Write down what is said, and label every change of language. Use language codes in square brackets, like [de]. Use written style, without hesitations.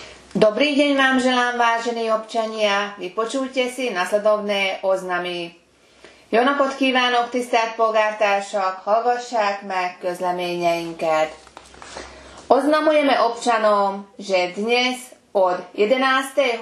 [sk] Dobrý deň vám želám, vážení občania. Vypočujte si nasledovné oznamy. [hu] Jóna podkívánok tisztelt polgártársak, hallgassák meg közleményeinket. [sk] Oznamujeme občanom, že dnes od 11.